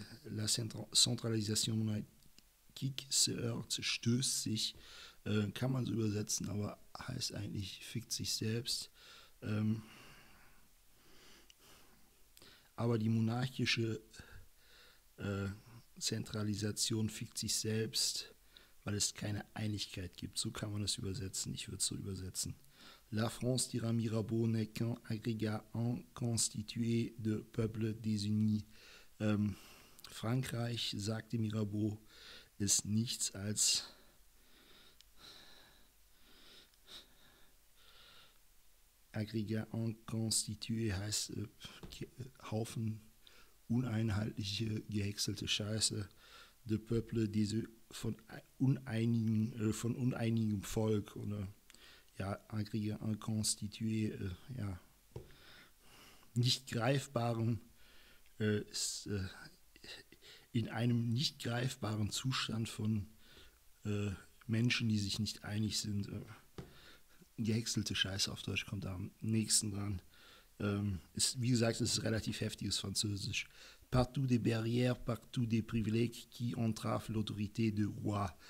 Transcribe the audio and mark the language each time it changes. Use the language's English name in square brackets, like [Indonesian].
[French] La centralisation monarchique se heurte, [German] stößt sich, kann man so übersetzen, aber heißt eigentlich fickt sich selbst. Aber die monarchische Zentralisation fickt sich selbst, weil es keine Einigkeit gibt. So kann man es übersetzen. Ich würde es so übersetzen. [French] La France, dira Mirabeau, n'est qu'un agrégat inconstitué de peuples désunis. [German] Frankreich, sagte Mirabeau, ist nichts als Aggregat inconstitué heißt Haufen uneinheitliche, gehäckselte Scheiße. [French] De peuple, [German] diese von uneinigem Volk. Oder ja, aggregat inconstitué, ja. Nicht greifbaren, ist, in einem nicht greifbaren Zustand von Menschen, die sich nicht einig sind. Gehäckselte Scheiße auf Deutsch kommt da am nächsten dran. Wie gesagt, es ist relativ heftiges Französisch. [French] Partout des barrières, partout des privilèges qui entravent l'autorité du roi.